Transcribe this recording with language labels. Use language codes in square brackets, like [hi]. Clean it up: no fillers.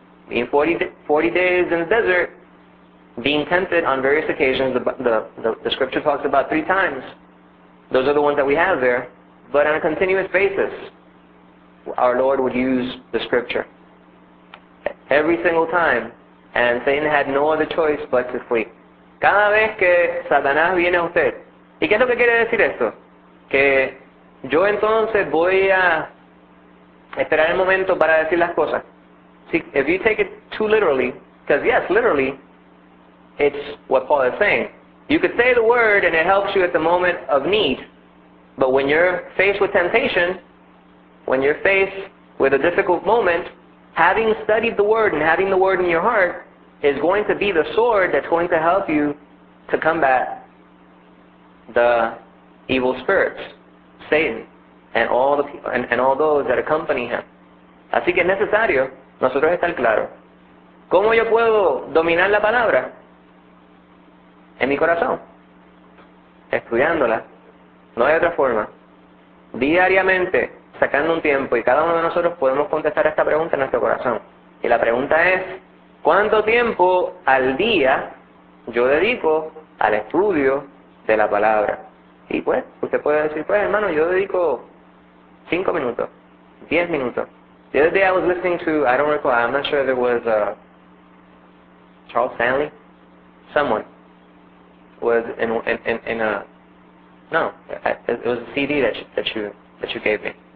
[en] In 40 days in the desert, being tempted on various occasions, the scripture talks about three times. Those are the ones that we have there. But on a continuous basis, our Lord would use the scripture. Every single time. And Satan had no other choice but to flee. [es] Cada vez que Satanás viene a usted. ¿Y qué es lo que quiere decir esto? Que yo entonces voy a esperar el momento para decir las cosas. [en] See, if you take it too literally, because yes, literally, it's what Paul is saying. You could say the word and it helps you at the moment of need. But when you're faced with temptation, when you're faced with a difficult moment, having studied the word and having the word in your heart is going to be the sword that's going to help you to combat the evil spirits, Satan, and all the people, and all those that accompany him. [es] Así que es necesario nosotros estar claro. ¿Cómo yo puedo dominar la palabra? En mi corazón. Estudiándola. No hay otra forma. Diariamente. Sacando un tiempo, y cada uno de nosotros podemos contestar esta pregunta en nuestro corazón. Y la pregunta es, ¿cuánto tiempo al día yo dedico al estudio de la palabra? Y pues, usted puede decir, pues hermano, yo dedico 5 minutos, 10 minutos. [en] The other day I was listening to, I don't recall, I'm not sure if it was Charles Stanley, someone, was in a, no, it was a CD that you gave me.